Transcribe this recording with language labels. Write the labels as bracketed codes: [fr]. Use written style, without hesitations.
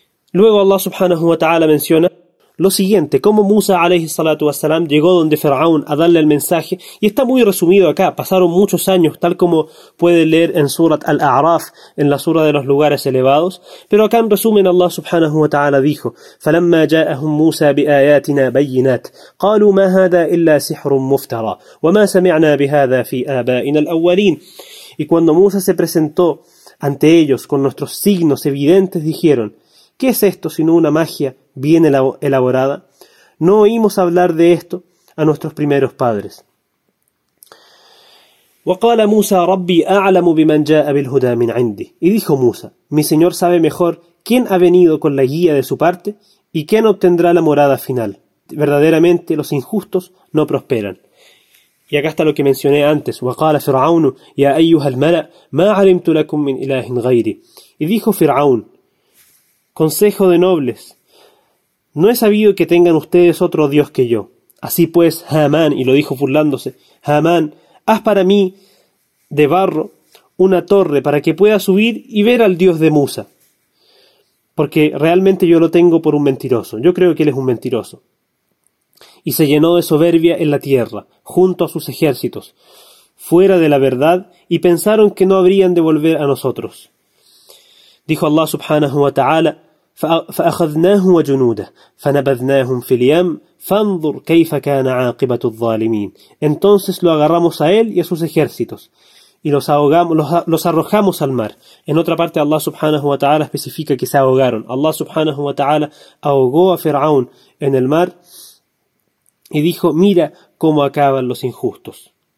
[es] Luego Allah subhanahu wa ta'ala menciona lo siguiente, cómo Musa alayhi salatu wa salam llegó donde Faraón a darle el mensaje. Y está muy resumido acá, pasaron muchos años, tal como puede leer en Surat al-A'raf, en la Sura de los Lugares Elevados. Pero acá en resumen Allah subhanahu wa ta'ala dijo, [ar] فَلَمَّا جَاءَهُمْ مُوسَى بِآيَاتِنَا بَيِّنَاتِ قَالُوا مَا هَذَا إِلَّا سِحْرٌ مُفْتَرَى وَمَا سَمِعْنَا بِهَذَا فِي آبَائِنَا الْأَوَّلِينَ. [es] Y cuando Musa se presentó ante ellos con nuestros signos evidentes, dijeron, ¿qué es esto sino una magia bien elaborada? No oímos hablar de esto a nuestros primeros padres. [ar] وقال موسى ربي أعلم بمن جاء بالهدى من عندي. [es] Y dijo Musa, mi señor sabe mejor quién ha venido con la guía de su parte y quién obtendrá la morada final. Verdaderamente los injustos no prosperan. Y acá está lo que mencioné antes. [ar] وقال فرعون يا أيها الملأ ما علمت لكم من إله غيري. [es] Y dijo Firaún, consejo de nobles, no he sabido que tengan ustedes otro dios que yo. Así pues, Hamán, y lo dijo burlándose, Hamán, haz para mí de barro una torre para que pueda subir y ver al dios de Musa. Porque realmente yo lo tengo por un mentiroso. Yo creo que él es un mentiroso. Y se llenó de soberbia en la tierra, junto a sus ejércitos, fuera de la verdad, y pensaron que no habrían de volver a nosotros. Dijo Allah subhanahu wa ta'ala, [ar] فأخذناه وجنوده فنبذناهم في اليم فانظر كيف كان عاقبة الظالمين. [es] Entonces lo agarramos a él y a sus ejércitos y los arrojamos al mar. En otra parte Allah subhanahu wa ta'ala especifica que se ahogaron. Allah subhanahu wa ta'ala ahogó a Firaún en el mar y dijo, mira cómo acaban los injustos.